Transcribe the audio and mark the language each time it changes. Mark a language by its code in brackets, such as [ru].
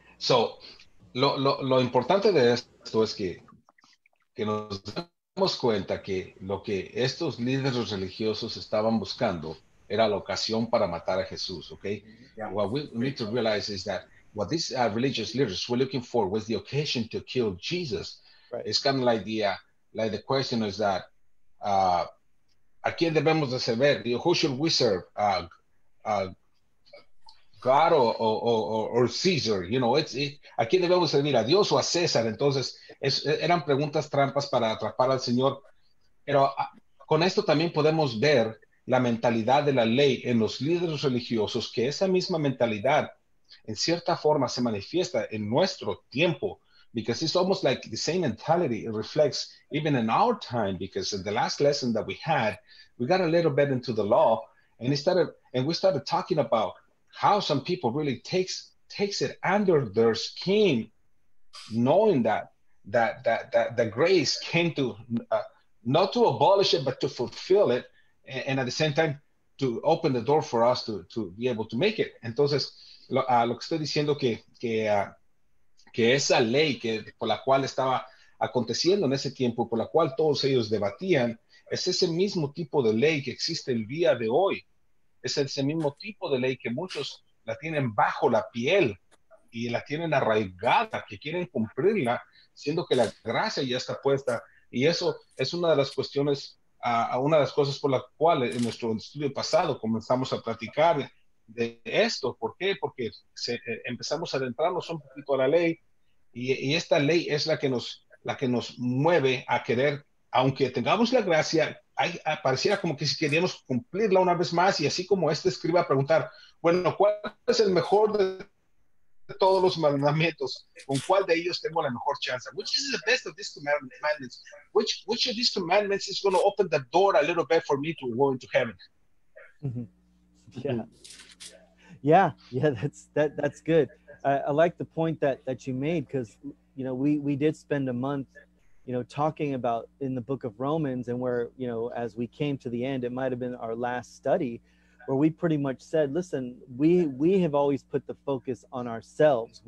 [es] So, lo importante de esto es que nos damos cuenta que lo que estos líderes religiosos estaban buscando era la ocasión para matar a Jesús, okay? [en] Yeah. What we need to realize is that what these religious leaders were looking for was the occasion to kill Jesus. Right. It's kind of like the question is that, ¿a quién debemos de servir? Who should we serve? [es] God or Caesar? You know, ¿a quién debemos servir? ¿A Dios o a César? Entonces, eran preguntas trampas para atrapar al Señor. Pero con esto también podemos ver la mentalidad de la ley en los líderes religiosos, que esa misma mentalidad, en cierta forma, se manifiesta en nuestro tiempo. [en] Because it's almost like the same mentality it reflects even in our time, because in the last lesson that we had, we got a little bit into the law, and we started talking about how some people really takes it under their skin, knowing that grace came to not to abolish it, but to fulfill it, and at the same time to open the door for us to be able to make it. [es] Entonces, lo que estoy diciendo que esa ley que por la cual estaba aconteciendo en ese tiempo, por la cual todos ellos debatían, es ese mismo tipo de ley que existe el día de hoy. Es ese mismo tipo de ley que muchos la tienen bajo la piel y la tienen arraigada, que quieren cumplirla, siendo que la gracia ya está puesta. Y eso es una de las cuestiones, una de las cosas por la cual en nuestro estudio pasado comenzamos a platicar de esto. ¿Por qué? Porque empezamos a adentrarnos un poquito a la ley, y esta ley es la que nos mueve a querer, aunque tengamos la gracia, pareciera como que si queríamos cumplirla una vez más, y así como este escriba a preguntar, bueno, ¿cuál es el mejor de todos los mandamientos? ¿Con cuál de ellos tengo la mejor chance? [en] Which is the best of these commandments? Which of these commandments is going to open the door a little bit for me to go into heaven? Yeah, that's good. I like the point that you made, because, you know, we did spend a month, you know, talking about in the book of Romans, and where, you know, as we came to the end, it might have been our last study, where we pretty much said, listen, we have always put the focus on ourselves.